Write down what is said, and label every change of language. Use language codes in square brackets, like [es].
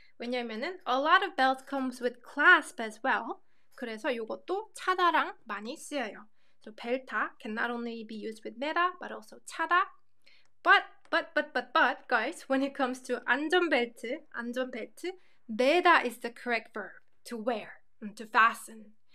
[ko] 왜냐면은 [en] a lot of belts comes with clasp as well. [ko] 그래서 이것도 차다랑 많이 쓰여요. [en] So 벨타 can not only be used with 메다 but also 차다. But guys, when it comes to 안전벨트, 메다 is the correct verb to wear, to fasten.